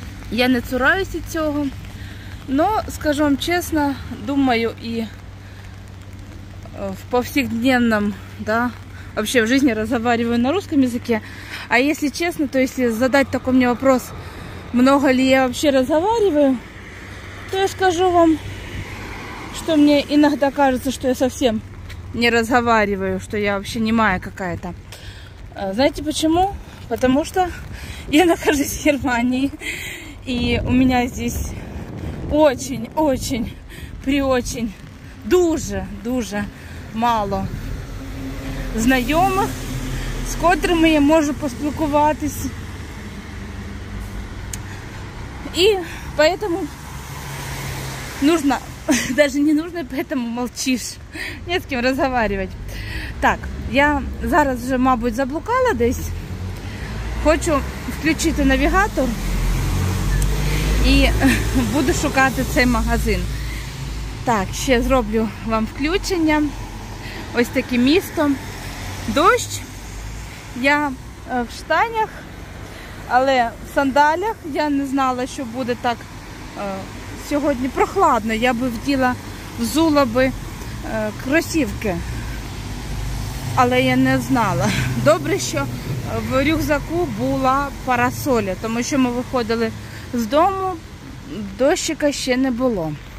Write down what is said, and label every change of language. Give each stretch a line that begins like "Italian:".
Ukrainian: Я не цураюся цього. Но, скажу вам чесно, думаю і в повсякденному, да, взагалі в житті розмовляю на русском языке. А якщо чесно, то якщо задати такий мені вопрос, много ли я взагалі розмовляю, то я скажу вам,
Russian: что мне иногда кажется, что я совсем не разговариваю, что я вообще немая какая-то. Знаете почему? Потому что я нахожусь в Германии, и у меня здесь очень-очень, приочень, дуже-дуже мало знакомых, с которыми я могу поспілкуватися. И поэтому нужно... Даже не нужно, поэтому молчишь. Не с ким разговаривать.
Ukrainian: Так, я зараз вже, мабуть, заблукала десь. хочу включити навігатор і буду шукати цей магазин. Так, ще зроблю вам включення. Ось таке місто. Дощ. Я в штанях, але в сандалях. Я не знала, що буде так сьогодні прохладно. Я би вділа взула би кросівки. Але я не знала. Добре, що в рюкзаку була парасоль, тому що ми виходили з дому, дощика ще не було.